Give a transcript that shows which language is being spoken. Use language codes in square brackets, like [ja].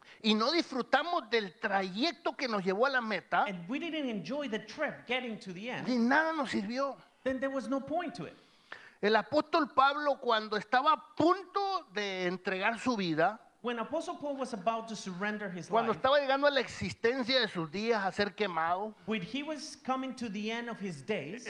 [es] y no disfrutamos del trayecto que nos llevó a la meta, [en] and we didn't enjoy the trip getting to the end, [es] ni nada nos sirvió. [en] Then there was no point to it. [es] El apóstol Pablo, cuando estaba a punto de entregar su vida, [en] when Apostle Paul was about to surrender his [es] cuando [en] life, [es] estaba llegando a la existencia de sus días a ser quemado, [en] when he was coming to the end of his days,